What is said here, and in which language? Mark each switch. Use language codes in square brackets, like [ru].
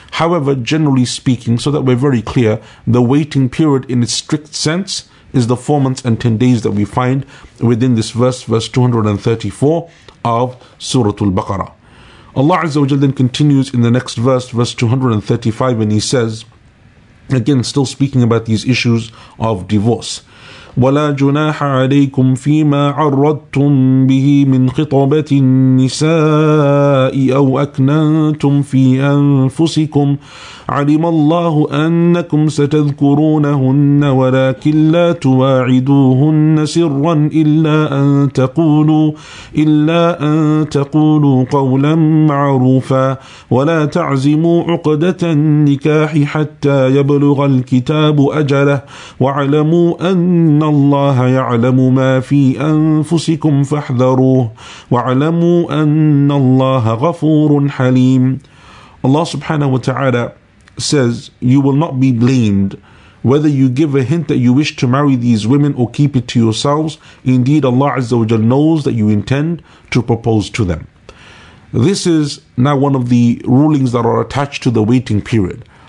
[en] However, generally speaking, so that we're very clear, the waiting period in its strict sense is the 4 months and 10 days that we find within this verse 234 of Surah Al-Baqarah. Allah Azza wa Jalla then continues in the next verse 235, and he says, again, still speaking about these issues of divorce, [ar] ولا جناح عليكم فيما عرضتم به من خطبة النساء أو أكننتم في أنفسكم علم الله أنكم ستذكرونهن ولكن لا تواعدوهن سرا إلا أن تقولوا قولا معروفا ولا تعزموا عقدة النكاح حتى يبلغ الكتاب أجله واعلموا أن الله يعلم ما في أنفسكم فاحذروه واعلموا أن الله غفور حليم. الله سبحانه وتعالى [en] says, you will not be blamed whether you give a hint that you wish to marry these women or keep it to yourselves. Indeed, Allah Azza wa Jalla knows that you intend to propose to them. This is now one of the rulings that are attached to the waiting period.